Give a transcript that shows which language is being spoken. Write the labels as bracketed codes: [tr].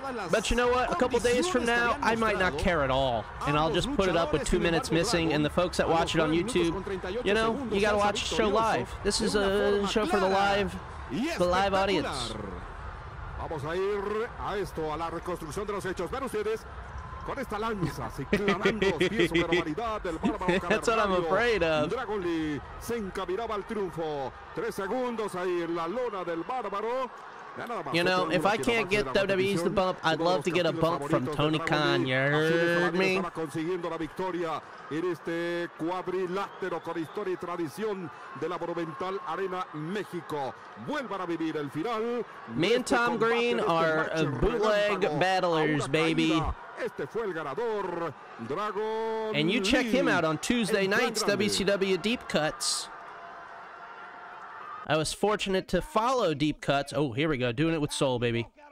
[en] But you know what? A couple days from now, I might not care at all. And I'll just put it up with 2 minutes missing. And the folks that watch it on YouTube, you know, you gotta watch the show live. This is a show for the live. The live audience. [es] Vamos a ir a esto, a la reconstrucción de los hechos. Ven ustedes con esta lanza, así clavando pies sobre la variedad del bárbaro Cavernario. Dragon Lee se encaminaba al triunfo. 3 segundos ahí en la lona del bárbaro. [en] You know, if I can't get WWE's the bump, I'd love to get a bump from Tony Khan. You heard me? [es] Consiguiendo la victoria en este cuadrilátero con historia y tradición de la Monumental Arena México. Vuelvan a vivir el final. [en] Me and Tom Green are bootleg battlers, baby. [es] Este fue el ganador, Dragon. [en] And you check him out on Tuesday nights, WCW Deep Cuts. I was fortunate to follow Deep Cuts. Oh, here we go. Doing it with soul, baby.